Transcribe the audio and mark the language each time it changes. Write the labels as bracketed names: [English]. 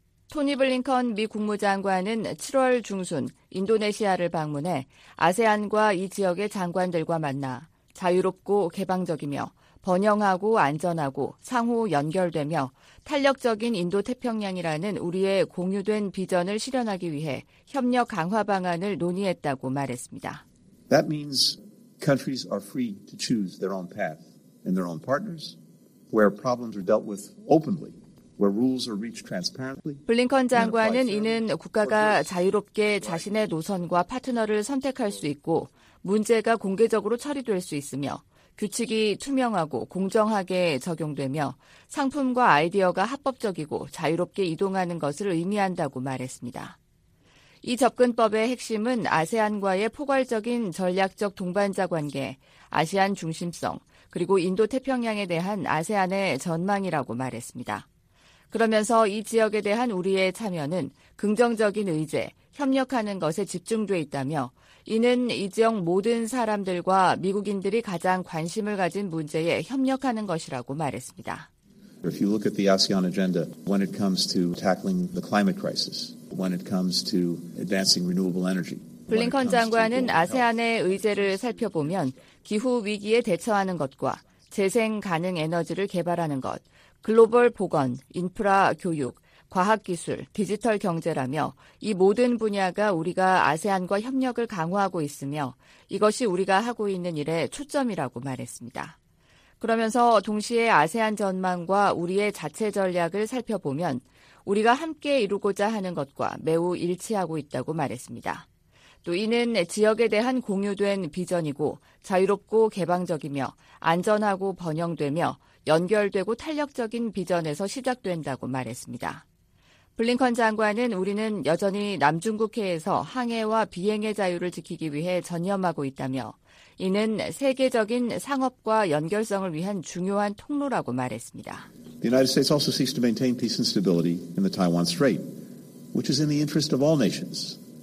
[Korean] 토니 블링컨 미 국무장관은 7월 중순 인도네시아를 방문해 아세안과 이 지역의 장관들과 만나 자유롭고 개방적이며 번영하고 안전하고 상호 연결되며 탄력적인 인도태평양이라는 우리의 공유된 비전을 실현하기 위해 협력 강화 방안을 논의했다고 말했습니다. [English] That means countries are free to choose their own path and their own partners, where problems are dealt with openly. [Korean] 블링컨 장관은 이는 국가가 자유롭게 자신의 노선과 파트너를 선택할 수 있고 문제가 공개적으로 처리될 수 있으며 규칙이 투명하고 공정하게 적용되며 상품과 아이디어가 합법적이고 자유롭게 이동하는 것을 의미한다고 말했습니다. 이 접근법의 핵심은 아세안과의 포괄적인 전략적 동반자 관계, 아시안 중심성, 그리고 인도태평양에 대한 아세안의 전망이라고 말했습니다. 그러면서 이 지역에 대한 우리의 참여는 긍정적인 의제, 협력하는 것에 집중돼 있다며 이는 이 지역 모든 사람들과 미국인들이 가장 관심을 가진 문제에 협력하는 것이라고 말했습니다. [English] If you look at the ASEAN agenda, when it comes to tackling the climate crisis, when it comes to advancing renewable energy, [Korean] 블링컨 장관은 아세안의 의제를 살펴보면 기후 위기에 대처하는 것과 재생 가능 에너지를 개발하는 것, 글로벌 보건, 인프라 교육, 과학기술, 디지털 경제라며 이 모든 분야가 우리가 아세안과 협력을 강화하고 있으며 이것이 우리가 하고 있는 일의 초점이라고 말했습니다. 그러면서 동시에 아세안 전망과 우리의 자체 전략을 살펴보면 우리가 함께 이루고자 하는 것과 매우 일치하고 있다고 말했습니다. 또 이는 지역에 대한 공유된 비전이고 자유롭고 개방적이며 안전하고 번영되며 연결되고 탄력적인 비전에서 시작된다고 말했습니다. 블링컨 장관은 우리는 여전히 남중국해에서 항해와 비행의 자유를 지키기 위해 전념하고 있다며 이는 세계적인 상업과 연결성을 위한 중요한 통로라고 말했습니다. [English] The United States also seeks to maintain peace and stability in the Taiwan Strait, which is in the interest of all nations.